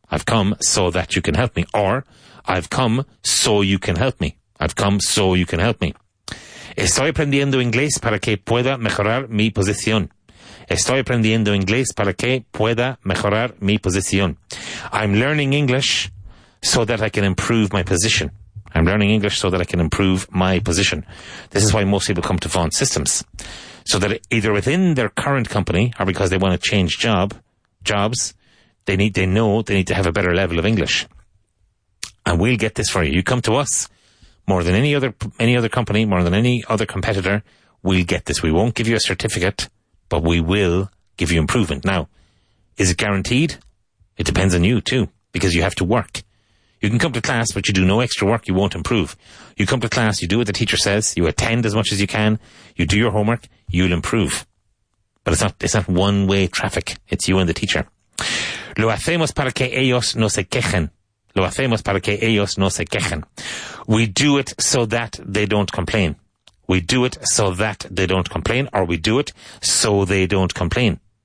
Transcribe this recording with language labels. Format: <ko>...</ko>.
<en>I've come so that you can help me. Or, I've come so you can help me. I've come so you can help me.</en> <es>Estoy aprendiendo inglés para que pueda mejorar mi posición. Estoy aprendiendo inglés para que pueda mejorar mi posición.</es> <en>I'm learning English so that I can improve my position. I'm learning English so that I can improve my position. This is why most people come to Vaughan Systems. So that either within their current company or because they want to change jobs, they need to have a better level of English. And we'll get this for you. You come to us more than any other company, more than any other competitor, we'll get this. We won't give you a certificate, but we will give you improvement. Now, is it guaranteed? It depends on you too, because you have to work. You can come to class, but you do no extra work, you won't improve. You come to class, you do what the teacher says, you attend as much as you can, you do your homework, you'll improve. But it's not one-way traffic. It's you and the teacher.</en> <es>Lo hacemos para que ellos no se quejen. Lo hacemos para que ellos no se quejen.</es> <en>We do it so that they don't complain. We do it so that they don't complain, or we do it so they don't complain.</en>